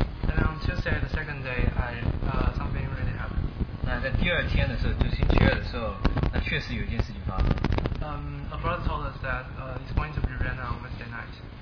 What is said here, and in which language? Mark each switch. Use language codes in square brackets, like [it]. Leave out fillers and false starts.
[en] And on Tuesday, the second day, something really happened. [zh] 那在第二天的时候，就星期二的时候，那确实有一件事情发生。 [en] A brother told us that it's going to be rain on Wednesday night.